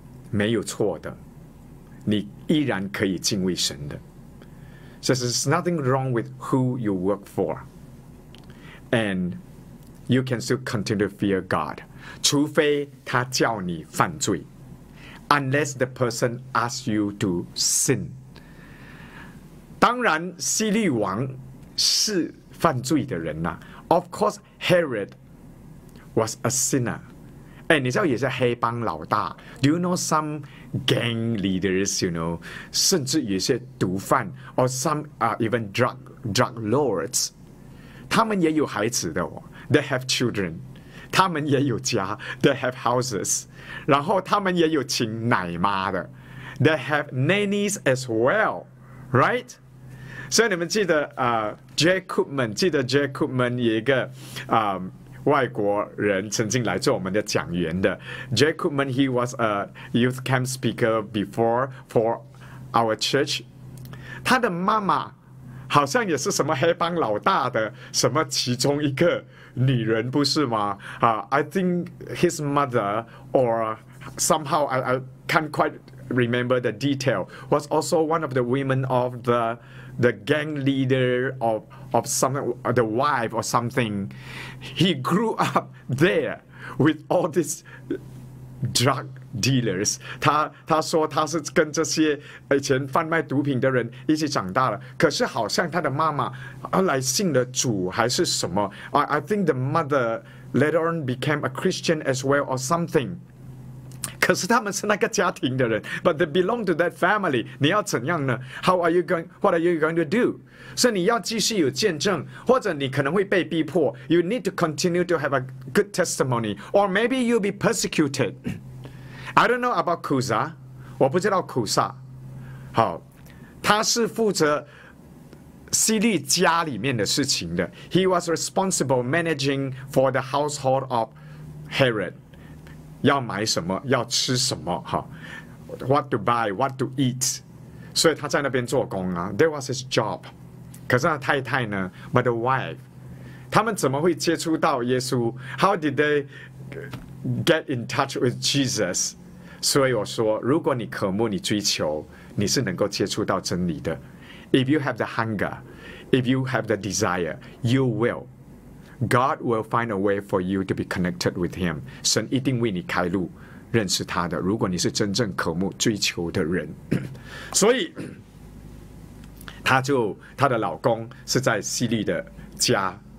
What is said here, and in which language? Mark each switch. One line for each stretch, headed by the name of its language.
Chinese: 没有错的，你依然可以敬畏神的。
English: So there's nothing wrong with who you work for. And you can still continue to fear God.
Chinese: 除非他叫你犯罪。
English: Unless the person asks you to sin.
Chinese: 当然西律王是犯罪的人、啊、
English: Of course, Herod was a sinner.
Chinese: 哎，你知道也是黑帮老大。
English: Do you know some gang leaders? You know,
Chinese: 甚至有些毒贩
English: ，or some even drug lords.
Chinese: 他们也有孩子的、哦、
English: They have children.
Chinese: 他们也有家。
English: They have houses.
Chinese: 然后他们也有请奶妈的。
English: They have nannies as well, right?
Chinese: 所以你们记得Jacobman， 记得 Jacobman 有一个外国人曾经来做我们的讲员的 Jacobman，
English: he was a youth camp speaker before for our church.
Chinese: 他的妈妈好像也是什么黑帮老大的什么其中一个女人，不是吗？
English: I think his mother or somehow I can't quite remember the detail was also one of the women of the gang leader of something, the wife or something. He grew up there with all these drug dealers.
Chinese: 他说他是跟这些以前贩卖毒品的人一起长大了，可是好像他的妈妈后来信了主还是什么。
English: I think the mother later on became a Christian as well or something.
Chinese: 可是他们是那个家庭的人，
English: but they belong to that family.
Chinese: 你要怎样呢？
English: How are you going? What are you going to do?
Chinese: 所以你要继续有见证，或者你可能会被逼迫。
English: You need to continue to have a good testimony, or maybe you'll be persecuted. I don't know about Cusa.
Chinese: 我不知道苦撒。好，他是负责西律家里面的事情的。
English: He was responsible managing for the household of Herod.
Chinese: 要买什么，要吃什么 ，
English: What to buy, what to eat.
Chinese: 所以他在那边做工啊
English: ，That was his job.
Chinese: 可是他太太呢
English: ，But the wife,
Chinese: 他们怎么会接触到耶稣 ？
English: How did they get in touch with Jesus?
Chinese: 所以我说，如果你渴慕，你追求，你是能够接触到真理的。
English: If you have the hunger, if you have the desire, you will. God will find a way for you to be connected with Him.
Chinese: 神一定为你开路，认识他的。如果你是真正渴慕追求的人，所以他的老公是在西律的家